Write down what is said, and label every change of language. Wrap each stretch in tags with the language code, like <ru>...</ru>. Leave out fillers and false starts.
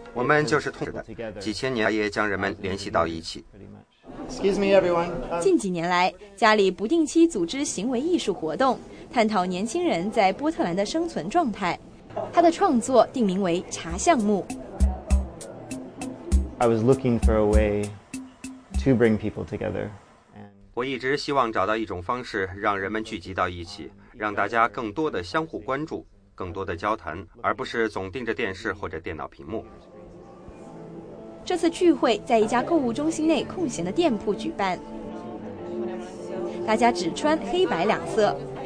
<zh>我们就是通过几千年也将人们联系到一起。</zh> <en>Excuse me, everyone.</en> <zh>近几年来，家里不定期组织行为艺术活动，探讨年轻人在波特兰的生存状态。他的创作定名为茶项目。</zh> <en>I was looking for a way to bring people together.</en> <zh>我一直希望找到一种方式让人们聚集到一起，让大家更多的相互关注，更多的交谈，而不是总盯着电视或者电脑屏幕。这次聚会在一家购物中心内空闲的店铺举办，大家只穿黑白两色。</zh>